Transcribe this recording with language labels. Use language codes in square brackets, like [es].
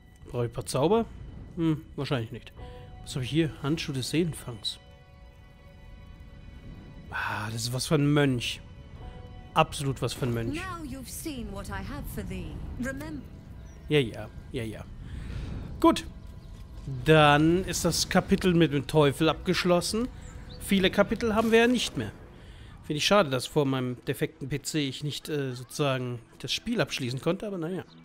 [de] Brauche ich ein paar Zauber? Wahrscheinlich nicht. Was habe ich hier? Handschuhe des Seelenfangs. Ah, das ist was für ein Mönch. Absolut was für ein Mönch. [en] Now you've seen what I have for thee. Remember. [de] Ja. Gut. Dann ist das Kapitel mit dem Teufel abgeschlossen. Viele Kapitel haben wir ja nicht mehr. Finde ich schade, dass vor meinem defekten PC ich nicht sozusagen das Spiel abschließen konnte, aber naja.